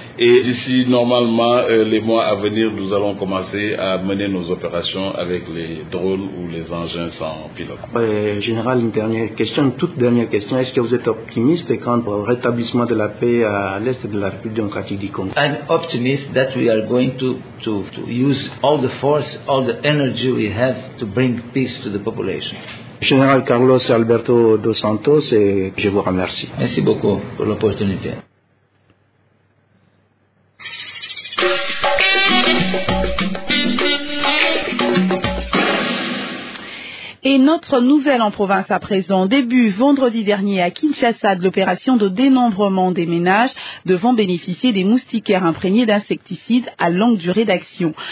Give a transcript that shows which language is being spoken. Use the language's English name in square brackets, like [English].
[French] Et d'ici, normalement, les mois à venir, nous allons commencer à mener nos opérations avec les drones ou les engins sans pilote. Général, une toute dernière question. Est-ce que vous êtes optimiste quant au rétablissement de la paix à l'est de la République démocratique du Congo? [English] I'm optimist that we are going to use all the force, all the energy we have to bring peace to the population. [French] Général Carlos Alberto dos Santos, et je vous remercie. Merci beaucoup pour l'opportunité. Et notre nouvelle en province à présent, début vendredi dernier à Kinshasa, de l'opération de dénombrement des ménages devant bénéficier des moustiquaires imprégnés d'insecticides à longue durée d'action.